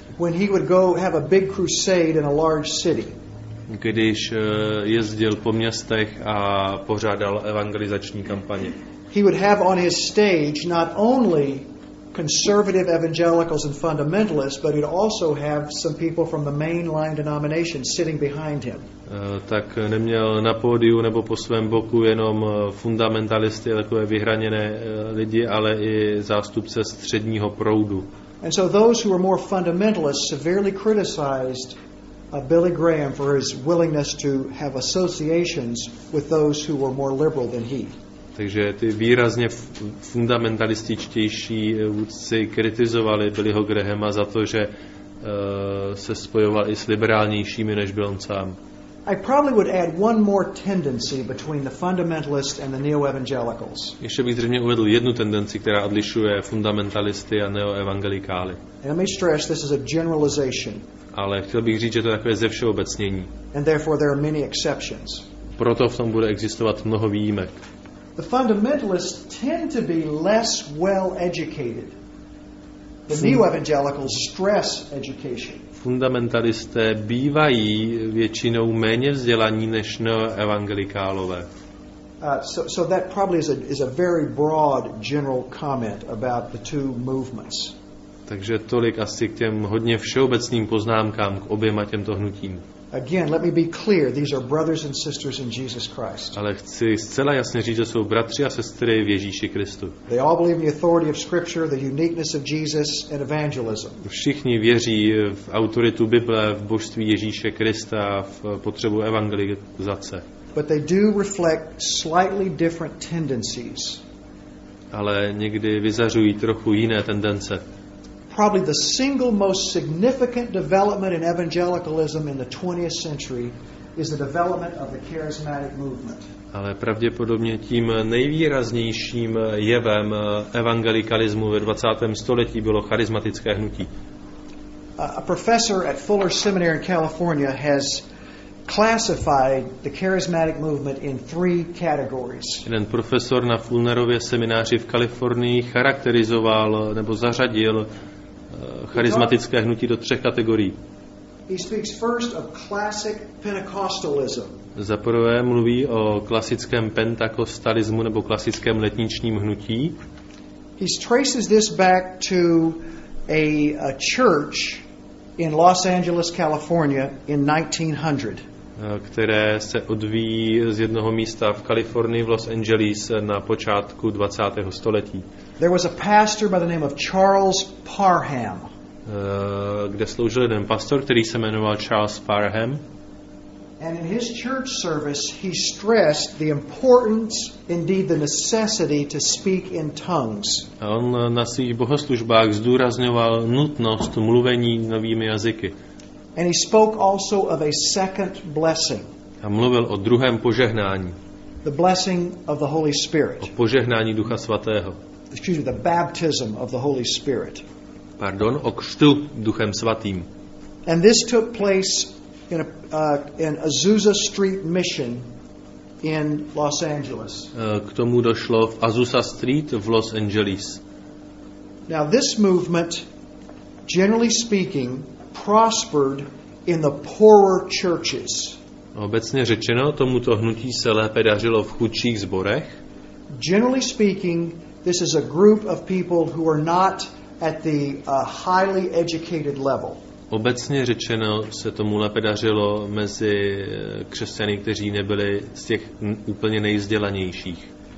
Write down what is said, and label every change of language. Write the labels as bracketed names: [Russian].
[English] When he would go have a big crusade in a large city. [Czech] Když jezdil po městech a pořádal evangelizační kampaně. [English] He would have on his stage not only conservative evangelicals and fundamentalists, but he'd also have some people from the mainline denomination sitting behind him. [Czech] Tak neměl na pódiu nebo po svém boku jenom fundamentalisty, takové vyhraněné lidi, ale i zástupce středního proudu. [English] And so those who were more fundamentalists severely criticized Billy Graham for his willingness to have associations with those who were more liberal than he. [Czech] Takže ty výrazně fundamentalističtější vůdci kritizovali Billyho Grahama za to, že se spojoval i s liberálnějšími, než byl on sám. [English] I probably would add one more tendency between the fundamentalists and the neo-evangelicals. [Czech] Ještě bych zřejmě uvedl jednu tendenci, která odlišuje fundamentalisty a neo-evangelikály. [English] And let me stress, this is a generalization. [Czech] Ale chtěl bych říct, že to je takové ze všeobecnění. [English] And therefore there are many exceptions. [Czech] Proto v tom bude existovat mnoho výjimek. [English] The fundamentalists tend to be less well educated. The neo-evangelicals stress education. [Czech] Fundamentalisté bývají většinou méně vzdělaní než neoevangelikálové. [English] So that probably is a very broad general comment about the two movements. [Czech] Takže tolik asi k těm hodně všeobecným poznámkám k oběma těmto hnutím. [English] Again, let me be clear. These are brothers and sisters in Jesus Christ. [Czech] Ale chci zcela jasně říct, že jsou bratři a sestry v Ježíši Kristu. [English] They all believe in the authority of Scripture, the uniqueness of Jesus, and evangelism. [Czech] Všichni věří v autoritu Bible, v božství Ježíše Krista, v potřebu evangelizace. [English] But they do reflect slightly different tendencies. [Czech] Ale někdy vyzařují trochu jiné tendence. [English] Probably the single most significant development in evangelicalism in the 20th century is the development of the charismatic movement. [Czech] Ale pravděpodobně tím nejvýraznějším jevem evangelikalismu ve 20. století bylo charismatické hnutí. [English] A professor at Fuller Seminary in California has classified the charismatic movement in three categories. [Czech] Jeden profesor na Fullerově semináři v Kalifornii charakterizoval nebo zařadil charismatické hnutí do třech kategorií. [English] He speaks first of classic Pentecostalism. [Czech] Za prvé mluví o klasickém pentakostalismu nebo klasickém letničním hnutí. [English] He traces this back to a church in Los Angeles, California in 1900. [Czech] Které se odvíjí z jednoho místa v Kalifornii v Los Angeles na počátku 20. století. [English] There was a pastor by the name of Charles Parham. [Czech] Kde sloužil jeden pastor, který se jmenoval Charles Parham. [English] And in his church service he stressed the importance, indeed the necessity to speak in tongues. [Czech] A on na svých bohoslužbách zdůrazňoval nutnost mluvení novými jazyky. [English] And he spoke also of a second blessing. [Czech] A mluvil o druhém požehnání. [English] the blessing of the Holy Spirit. [Czech] O požehnání Ducha Svatého. [English] Excuse me, the baptism of the Holy Spirit. [Czech] Pardon, o křtu Duchem Svatým. [English] And this took place in in Azusa Street Mission in Los Angeles. [Czech] K tomu došlo v Azusa Street v Los Angeles. [English] Now this movement, generally speaking, prospered in the poorer churches. [Czech] Obecně řečeno, tomuto hnutí se lépe dařilo v chudších sborech. [English] Generally speaking, this is a group of people who are not at the highly educated level. [Czech] Obecně řečeno, se tomu lépe dařilo mezi křesťany, kteří nebyli z těch úplně nejvzdělanějších.